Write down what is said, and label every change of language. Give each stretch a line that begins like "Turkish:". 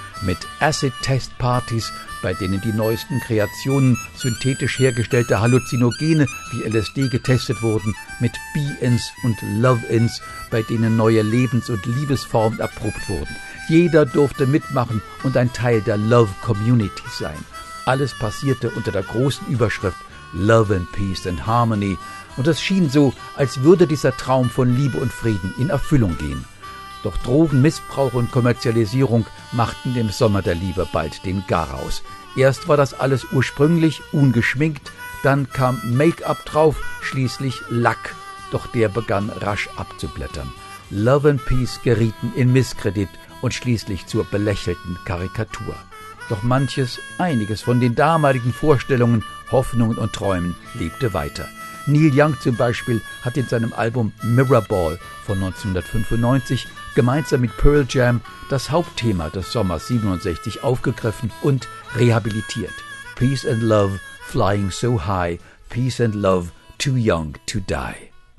German: mit Acid-Test-Partys, bei denen die neuesten Kreationen synthetisch hergestellter Halluzinogene wie LSD getestet wurden, mit Be-Ins und Love-Ins, bei denen neue Lebens- und Liebesformen erprobt wurden. Jeder durfte mitmachen und ein Teil der Love-Community sein. Alles passierte unter der großen Überschrift
English: Love and Peace and Harmony.
German: Und es schien so, als würde dieser Traum von Liebe und Frieden in Erfüllung gehen. Doch Drogen, Missbrauch und Kommerzialisierung machten dem Sommer der Liebe bald den Garaus. Erst war das alles ursprünglich ungeschminkt, dann kam Make-up drauf, schließlich Lack. Doch der begann rasch abzublättern. Love and Peace gerieten in Misskredit und schließlich zur belächelten Karikatur. Doch einiges von den damaligen Vorstellungen, Hoffnungen und Träumen lebte weiter. Neil Young zum Beispiel hat in seinem Album Mirrorball von 1995 gemeinsam mit Pearl Jam das Hauptthema des Sommers 67 aufgegriffen und rehabilitiert.
English: Peace and love, flying so high, peace and love, too young to die.